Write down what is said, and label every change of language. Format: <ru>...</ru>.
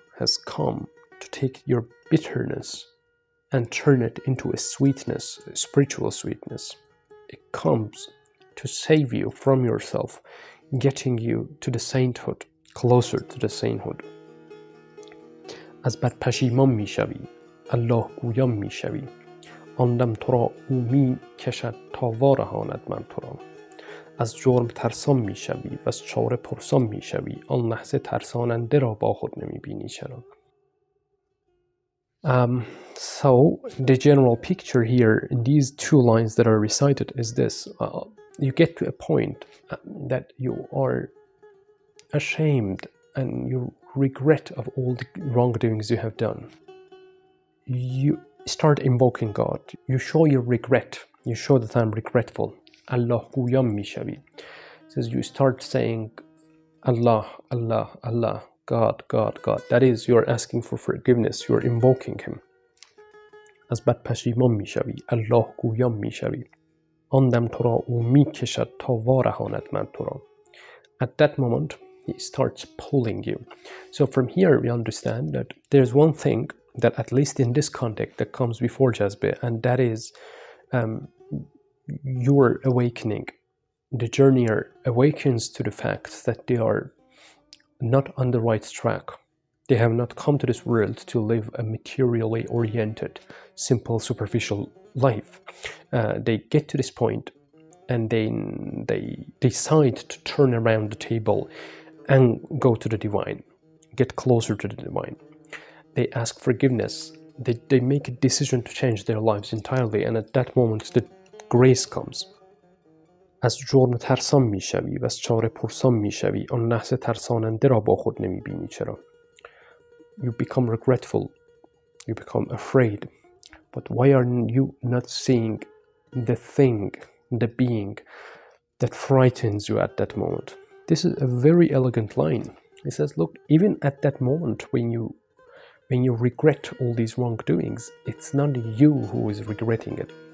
<en>has come to take your bitterness and turn it into a sweetness, a spiritual sweetness. It comes to save you from yourself, getting you to the sainthood, closer to the sainthood.</en> <fa>از بد پشیمان می شوی، الله گویان می شوی، آندم تو را او می کشد تا وارهاند من تو را. از جرم ترسان می شوی و از چاره پرسان می شوی، آن لحظه ترساننده را با خود نمی بینی چرا.</fa> <en>So the general picture here in these two lines that are recited is this. You get to a point that you are ashamed and you regret of all the wrongdoings you have done. You start invoking God. You show your regret. You show that I'm regretful.</en> <fa>Allah guyam mishavi.</fa> <en>Says you start saying Allah, Allah, Allah. God, God, God. That is, you are asking for forgiveness. You are invoking Him.</en> <fa>از بد پشیمان میشوی. الله گویان میشوی. آن دم تو را او میکشد تا وارهاند من تو را.</fa> <en>At that moment, He starts pulling you. So from here, we understand that there is one thing that, at least in this context, that comes before jazbe, and that is your awakening. The journeyer awakens to the fact that they are not on the right track. They have not come to this world to live a materially oriented, simple, superficial life. They get to this point and then they decide to turn around the table and go to the divine, get closer to the divine. They ask forgiveness. They make a decision to change their lives entirely, and at that moment the grace comes.</en> <fa>از جرم ترسان می شوی و از چاره پرسان می شوی آن لحظه ترساننده را با خود نمی بینی چرا.</fa> <en>You become regretful. You become afraid. But why are you not seeing the thing, the being that frightens you at that moment? This is a very elegant line. It says, look, even at that moment when you regret all these wrongdoings, it's not you who is regretting it.</en>